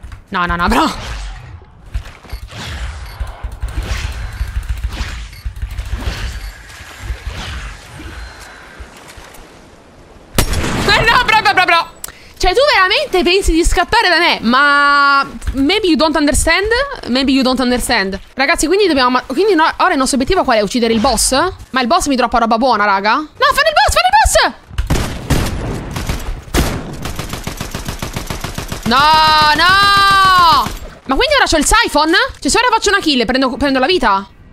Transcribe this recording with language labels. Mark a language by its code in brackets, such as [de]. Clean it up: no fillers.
[it] No, no, no, bro. No, bro. Cioè, tu veramente... veramente pensi di scattare da me? [en] Ma maybe you don't understand. Maybe you don't understand. [it] Ragazzi, quindi dobbiamo. Quindi no, ora il nostro obiettivo qual è? Uccidere il boss? Ma il boss mi droppa roba buona, raga. No, fanno il boss, fanno il boss. No, no. Ma quindi ora c'ho il siphon? Cioè, se ora faccio una kill, prendo la vita.